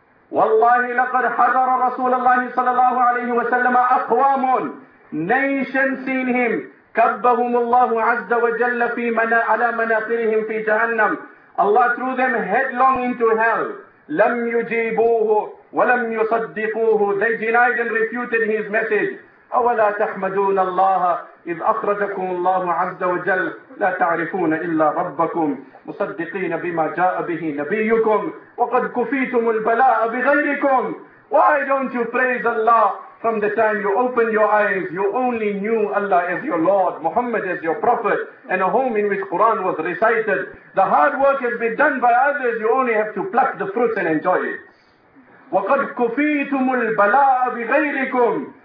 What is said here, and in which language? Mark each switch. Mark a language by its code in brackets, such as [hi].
[ar] وَاللَّهِ لَقَدْ حَذَرَ رَسُولَ اللَّهِ صَلَى اللَّهُ عَلَيْهُ وَسَلَّمَ أَقْوَامٌ. [en] Nations seen him. [ar] كَبَّهُمُ اللَّهُ عَزَّ وَجَلَّ فِي مَنَا عَلَى مَنَاطِرِهِمْ فِي جَهَنَّمْ. [en] Allah threw them headlong into hell. [ar] لَمْ يُجِيبُوهُ وَلَمْ يُصَدِّقُوهُ. [en] They denied and refuted his message. [ar] أولا تحمدون الله إذ أخرجكم الله عز وجل لا تعرفون إلا ربكم مصدقين بما جاء به نبيكم وقد كفيتم البلاء بغيركم. [en] Why don't you praise Allah from the time you opened your eyes? You only knew Allah as your Lord, Muhammad as your Prophet, and a home in which Quran was recited. The hard work has been done by others, you only have to pluck the fruits and enjoy it. [ar] وَقَدْ كُفِيتُمُ الْبَلَاءَ بِغَيْرِكُمْ.